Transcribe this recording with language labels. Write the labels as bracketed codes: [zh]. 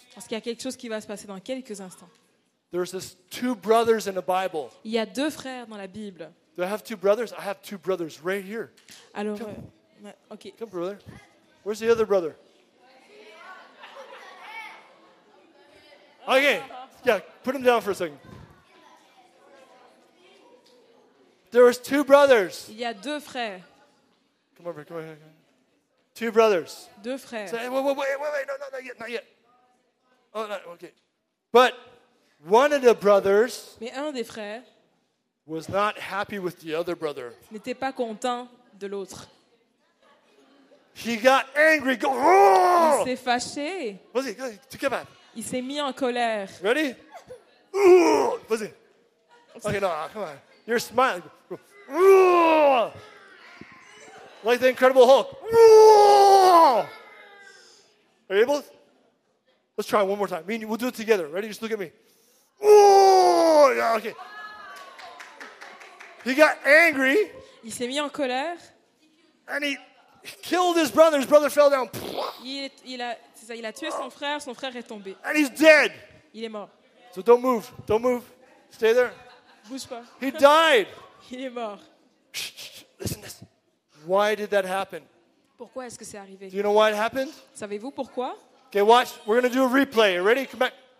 [fr] Parce qu'il y a quelque chose qui va se passer dans quelques instants. [en] There's this two brothers in the Bible. [fr] Il y a deux frères dans la Bible. [en] Do I have two brothers? I have two brothers right here. [fr] Alors, okay. [en] Come, brother. Where's the other brother? Okay, yeah, put him down for a second. There was two brothers. [fr] Il y a deux frères. [en] Come over, come over. Two brothers. [fr] Deux frères. [en] Say, wait, not yet. Oh, not, okay. But one of the brothers [fr] Mais un des frères [en] was not happy with the other brother. [fr] N'était pas content de l'autre. [en] He got angry. Go, oh! [fr] Il s'est fâché. Vas-y, [en] go, to come back. [fr] Il s'est mis en colère. [en] Ready? Ooh, [fr] vas-y. [en] Okay, no, come on. You're smiling. Ooh, like the Incredible Hulk. Ooh. Are you able? Let's try one more time. We'll do it together. Ready? Just look at me. Ooh, yeah, okay. He got angry. [fr] Il s'est mis en colère. [en] And he killed his brother. His brother fell down. [fr] Il a tué son frère est tombé. [en] And he's dead. [fr] Il est mort. [en] So don't move. Don't move. Stay there. [fr] Bouge pas. [en] He died. [fr] Il est mort. [en] Listen, listen. Why did that happen? [fr] Pourquoi est-ce que c'est arrivé? [en] Do you know why it happened? [fr] Savez-vous pourquoi? [en] Okay, watch. We're going to do a replay. Ready? Come back.